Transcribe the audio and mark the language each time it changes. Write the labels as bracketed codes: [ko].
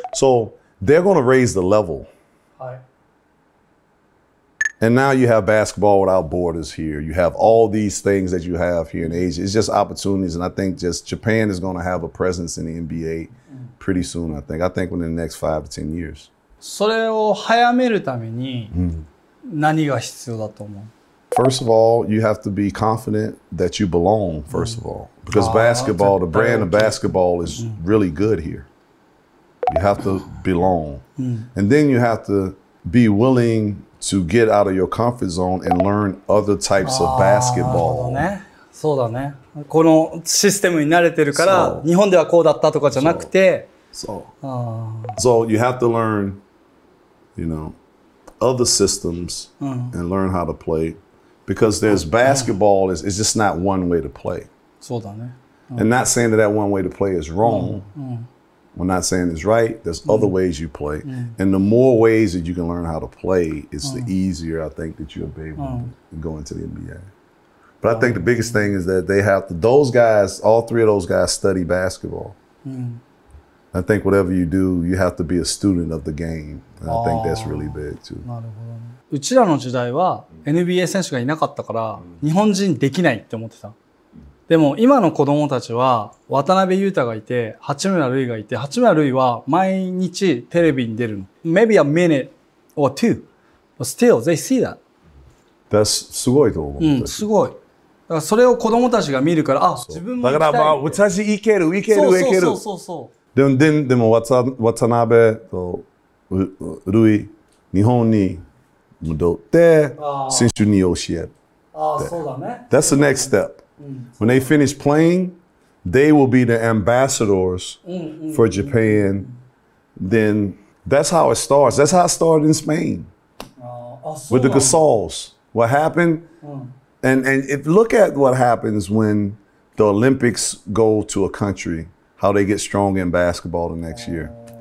[en] So they're going to raise the level. And now you have basketball without borders here. You have all these things that you have here in Asia. It's just opportunities. And I think just Japan is going to have a presence in the NBA pretty soon, I think. I think within the next 5 to 10 years. [ja] それを早めるために何が必要だと思う? [en] First of all, you have to be confident that you belong, first of all. Because basketball, the brand of basketball is really good here. You have to belong. And then you have to be willing to get out of your comfort zone and learn other types of basketball. [ja] そうだね。このシステムに慣れてるから、日本ではこうだったとかじゃなくて。 [en] So you have to learn, you know, other systems and learn how to play. Because there's basketball, it's just not one way to play. [ja] そうだね。 [en] And not saying that one way to play is wrong. We're not saying it's right. There's other ways you play. And the more ways that you can learn how to play, it's the easier, I think, that you'll be able to go into the NBA. But I think the biggest thing is that they have to, those guys, all three of those guys study basketball. I think whatever you do, you have to be a student of the game. And I think that's really big, too. [ja] なるほどね。うちらの時代は NBA 選手がいなかったから日本人できないって思ってた。でも今の子供たちは渡辺雄太がいて八村塁がいて、八村塁は毎日テレビに出るの。 [en] Maybe a minute or two, but still they see that. That's [ja] すごいと思う。うん、すごい。だからそれを子供たちが見るから、あ、自分も行きたい。だからまあ私いける。そう。でも渡辺と塁日本に戻って選手に教える。ああ、そうだね。 [en] That's the next step. When they finish playing, they will be the ambassadors for Japan. Then that's how it starts. That's how it started in Spain. With the Gasols. What happened? And if look at what happens when the Olympics go to a country, how they get stronger in basketball the next year.